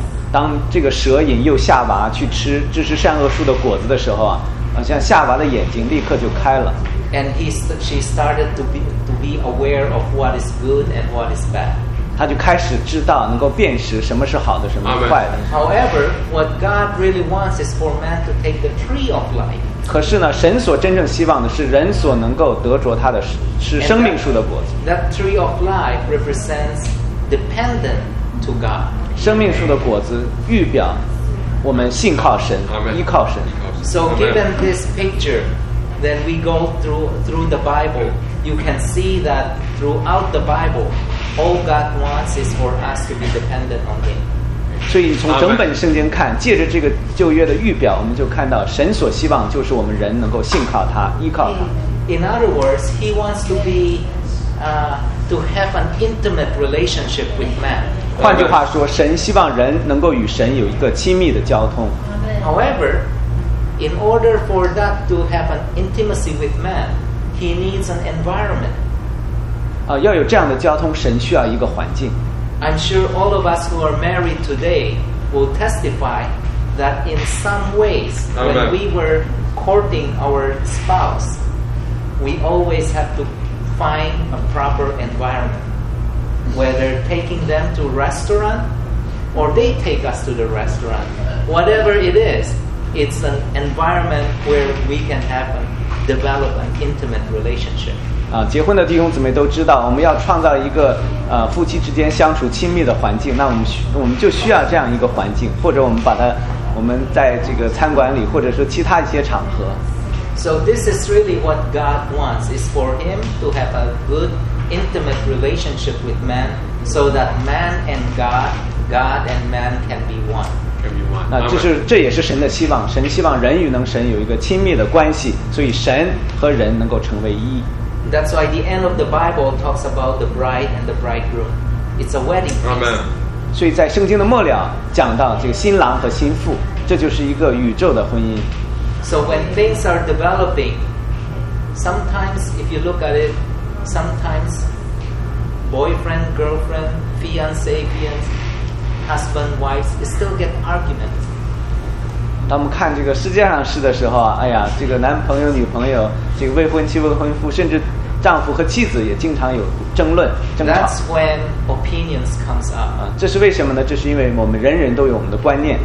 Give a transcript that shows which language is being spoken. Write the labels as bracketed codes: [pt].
[zh] 当这个蛇引诱夏娃去吃知识善恶树的果子的时候啊。像夏娃的眼睛立刻就开了。 [en] And she started to be aware of what is good and what is bad. [zh] 她就开始知道，能够辨识什么是好的，什么是坏的。 [en] However, what God really wants is for man to take the tree of life. [zh] 可是呢，神所真正希望的是人所能够得着他的是生命树的果子。 [en] That tree of life represents dependent to God. [zh] 生命树的果子预表我们信靠神，依靠神。 [en] So given this picture, then we go through the Bible. You can see that throughout the Bible, all God wants is for us to be dependent on Him. [zh] 所以从整本圣经看，借着这个旧约的预表，我们就看到神所希望就是我们人能够信靠他，依靠他。 [en] In other words, He wants to be to have an intimate relationship with man. [zh] 换句话说，神希望人能够与神有一个亲密的交通。 [en] However, in order for that to have an intimacy with man, he needs an environment. [zh] 要有这样的交通，神需要一个环境。 [en] I'm sure all of us who are married today will testify that in some ways, when we were courting our spouse, we always have to find a proper environment. Whether taking them to a restaurant, or they take us to the restaurant, whatever it is, it's an environment where we can have a develop an intimate relationship. [zh] 结婚的弟兄姊妹都知道，我们要创造一个夫妻之间相处亲密的环境，那我们就需要这样一个环境，或者我们在这个餐馆里，或者说其他一些场合。 [en] So this is really what God wants, is for Him to have a good intimate relationship with man, so that man and God and man can be one. [zh] 这也是神的希望，神希望人与能神有一个亲密的关系，所以神和人能够成为一。 [en] That's why the end of the Bible talks about the bride and the bridegroom. It's a wedding place. Amen. [zh] 所以在圣经的末了讲到这个新郎和新妇，这就是一个宇宙的婚姻。 [en] So when things are developing, sometimes if you look at it, sometimes boyfriend, girlfriend, fiance. Husband, wives still get arguments. [zh] 当我们看这个世界上事的时候啊，哎呀，这个男朋友、女朋友，这个未婚妻、未婚夫，甚至丈夫和妻子也经常有争论争吵。 [en] That's when opinions comes up. [zh] 这是为什么呢？这是因为我们人人都有我们的观念。